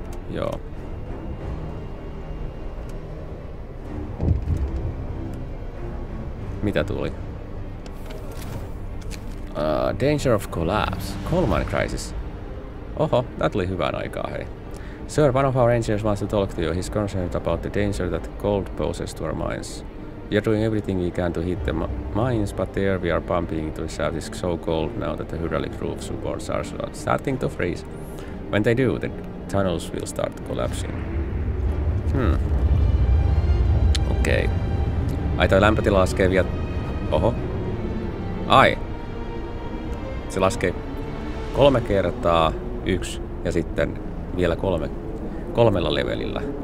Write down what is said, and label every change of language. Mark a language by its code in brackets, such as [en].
[fi] Joo. Mitä tuli? [en] Danger of collapse. Coal mine crisis. [fi] Oho, tää tuli hyvään aikaa, hei. [en] Sir, one of our engineers wants to talk to you. He's concerned about the danger that coal poses to our mines. We are doing everything we can to hit the mines, but the air we are pumping into the shaft is so cold now that the hydraulic roof supports are starting to freeze. When they do, the tunnels will start collapsing. Okei. Okay. [fi] Ai toi lämpötila laskee vielä... Oho. Ai. Se laskee 3 × 1 ja sitten vielä 3 levelillä.